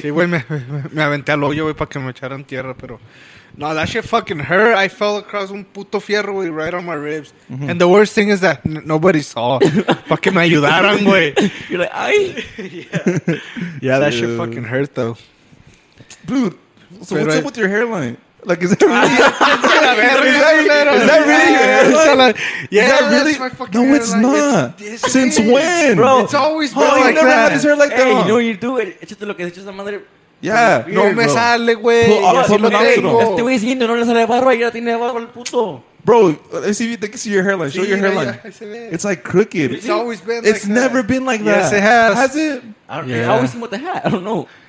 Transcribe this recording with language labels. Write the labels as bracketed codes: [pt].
[es] Sí, güey, me aventé al hoyo, güey, para que me echaran tierra, pero. [en] No, that shit fucking hurt. I fell across [es] un puto fierro, güey, [en] right on my ribs. Mm-hmm. And the worst thing is that nobody saw. Fucking [es] me ayudaron, güey. [en] You're like, ay. Yeah, that shit fucking hurt, though. Dude, so what's up with your hairline? Like, is that really? Is that really? Yeah, that's my fucking hairline. No, it's not. Since when? Bro, it's always been like that. You never had his hair like that. Hey, you know what you do? [es] Échate lo que es, la madre. [en] Yeah. [es] No me sale, güey. Este güey siguiendo no le sale barba y ya tiene barba el puto. [en] Bro, let's see if you can see your hairline. Show your hairline. Yeah. It's like crooked. It's always been like It's that. Never been like that. Yes, it has. Has it? I always seen with the hat. I don't know.